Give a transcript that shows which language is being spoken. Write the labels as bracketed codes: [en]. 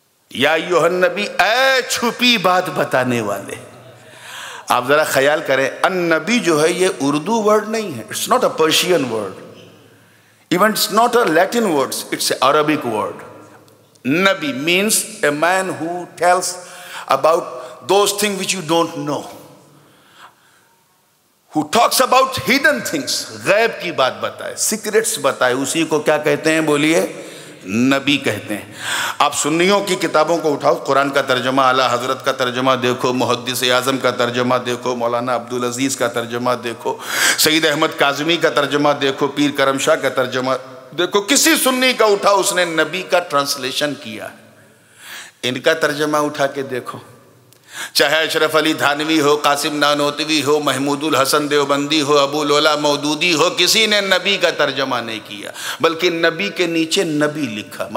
[ar] یا ایھا النبی, [ur] اے چھپی بات بتانے والے. آپ ذرا خیال کریں, النبی جو ہے یہ اردو ورڈ نہیں ہے, [en] It's not a Persian word, even it's not a Latin words, it's a Arabic word. Nabi means a man who tells about those things which you don't know. who talks about hidden things, [ur] غیب کی بات بتائے, secrets بتائے, اسی کو کیا کہتے ہیں بولیے, نبی کہتے ہیں. آپ سنیوں کی کتابوں کو اٹھاؤ, قرآن کا ترجمہ, اعلی حضرت کا ترجمہ دیکھو, محدث اعظم کا ترجمہ دیکھو, مولانا عبدالعزیز کا ترجمہ دیکھو, سید احمد کاظمی کا ترجمہ دیکھو, پیر کرم شاہ کا ترجمہ دیکھو, کسی سنی کا اٹھا اس نے نبی کا ٹرانسلیشن کیا, ان کا ترجمہ اٹھا کے دیکھو, چاہے اشرف علی تھانوی ہو, قاسم نانوتوی ہو, محمود الحسن دیوبندی ہو, ابو لولا مودودی ہو, کسی نے نبی کا ترجمہ نہیں کیا, بلکہ نبی کے نیچے نبی لکھا.